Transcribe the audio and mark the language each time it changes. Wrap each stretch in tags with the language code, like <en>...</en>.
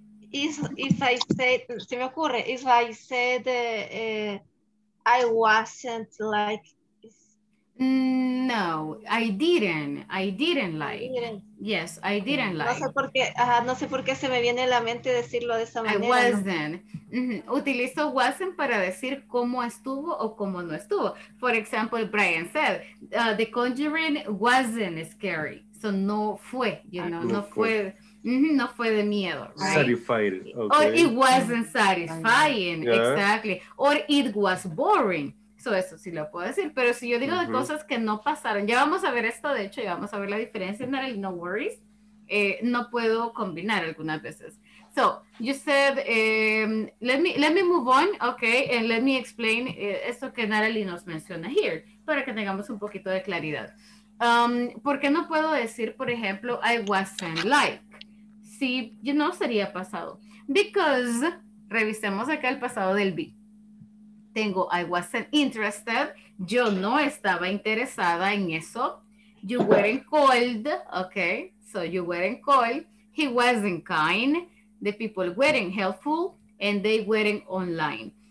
<en>If I said, I wasn't like... No, I didn't like.</en> <es>No sé por qué, se me viene a la mente decirlo de esa manera.</es> <en>I wasn't. Mm-hmm.</en> <es>Utilizo wasn't para decir cómo estuvo o cómo no estuvo.</es> <en>For example, Brian said, The Conjuring wasn't scary.</en> <es>So no fue,</es> <en>you know,</en> <es>no fue. Mm-hmm, no fue de miedo, right?</es> <en>Satisfied. Okay. Or it wasn't satisfying, yeah. Exactly. Or it was boring.</en> <es>Eso sí lo puedo decir, pero si yo digo uh-huh. de cosas que no pasaron, ya vamos a ver esto, de hecho, ya vamos a ver la diferencia,</es> <en>no worries,</en> <es>no puedo combinar algunas veces.</es> <en>So, you said, let me move on, okay, and let me explain</en> <es>esto que Natalie nos menciona here, para que tengamos un poquito de claridad. ¿Por qué no puedo decir, por ejemplo,</es> <en>I wasn't like?</en> <es>Si, you know, sería pasado.</es> <en>Because,</en> <es>revisemos acá el pasado del be. Tengo</es> <en>I wasn't interested,</en> <es>yo no estaba interesada en eso.</es> <en>You weren't called, okay, so you weren't called. He wasn't kind. The people weren't helpful and they weren't online.</en>